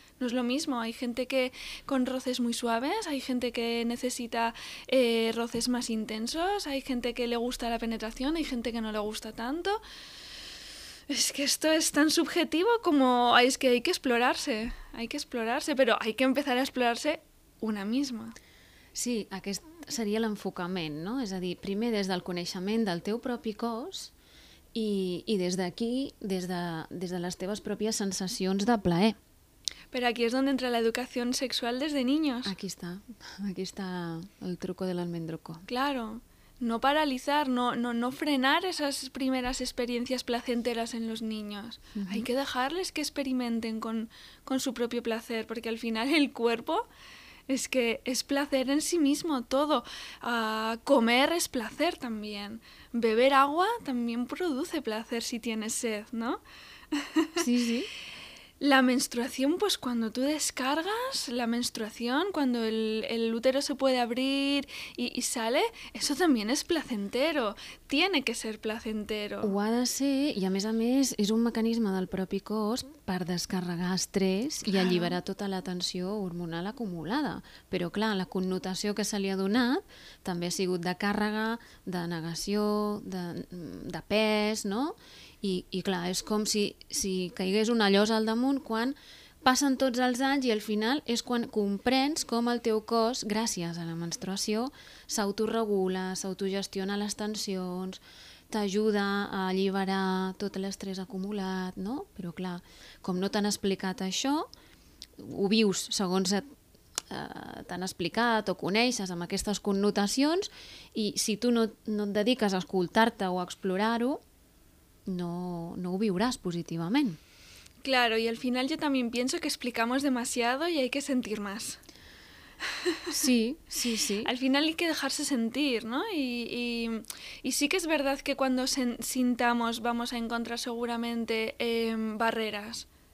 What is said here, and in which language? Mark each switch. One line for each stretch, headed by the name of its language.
Spanish: No es lo mismo, hay gente que con roces muy suaves, hay gente que necesita roces más intensos, hay gente que le gusta la penetración, hay gente que no le gusta tanto. Es que esto es tan subjetivo como es que hay que explorarse, pero hay que empezar a explorarse una misma.
Catalan: Sí, aquest seria l'enfocament, no? És a dir, primer des del coneixement del teu propi cos i des d'aquí, des de les teves pròpies sensacions de plaer.
Spanish: Pero aquí es donde entra la educación sexual desde niños. Aquí está el truco del almendruco. Claro, no paralizar, no frenar esas primeras experiencias placenteras en los niños. Hay que dejarles que experimenten con su propio placer, porque al final el cuerpo es que es placer en sí mismo, todo. Comer es placer también. Beber agua también produce placer si tienes sed, ¿no? Sí, sí. La menstruación, pues cuando tú descargas la menstruación, cuando el útero se puede abrir y sale, eso también es placentero. Tiene que ser placentero.
Catalan: Ho ha de ser, i a més és un mecanisme del propi cos per descarregar estrès i alliberar tota la tensió hormonal acumulada. Però clar, la connotació que se li ha donat també ha sigut de càrrega, de negació, de pes, no? I clar, és com si caigués una llosa al damunt quan passen tots els anys i al final és quan comprens com el teu cos, gràcies a la menstruació, s'autoregula, s'autogestiona les tensions, t'ajuda a alliberar tot l'estrès acumulat, no? Però clar, com no t'han explicat això, ho vius segons t'han explicat o coneixes amb aquestes connotacions i si tu no et dediques a escoltar-te o a explorar-ho, no ho viuràs positivament.
Spanish: Claro, y al final yo también pienso que explicamos demasiado y hay que sentir más. Sí, sí, sí. Al final hay que dejarse sentir, ¿no? Y sí que es verdad que cuando sintamos vamos a encontrar seguramente barreras.